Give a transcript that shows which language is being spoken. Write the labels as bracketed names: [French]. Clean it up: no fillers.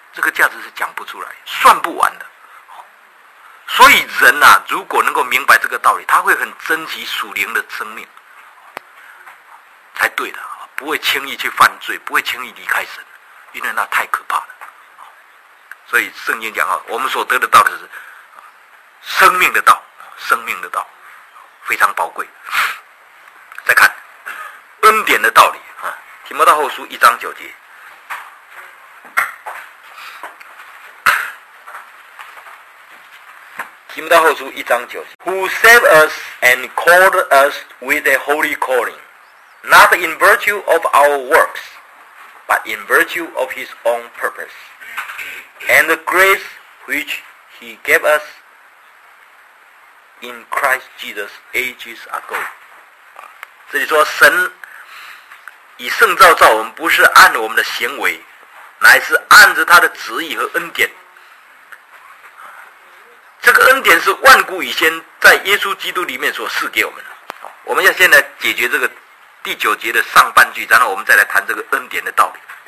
[Chinese] 这个价值是讲不出来，算不完的。所以人啊，如果能够明白这个道理，他会很珍惜属灵的生命才对的，不会轻易去犯罪，不会轻易离开神，因为那太可怕了。所以圣经讲，我们所得的道的是生命的道，生命的道非常宝贵。再看恩典的道理，提摩太后书1章9节， [English] 提摩太后书1章9节， Who saved us and called us with a holy calling, not in virtue of our works, but in virtue of his own purpose. And the grace which he gave us in Christ Jesus ages ago. [Chinese] 这里说神以圣召召我们，不是按我们的行为，乃是按着他的旨意和恩典。这个恩典是万古以先在耶稣基督里面所赐给我们的。我们要先来解决这个第9节的上半句，然后我们再来谈这个恩典的道理。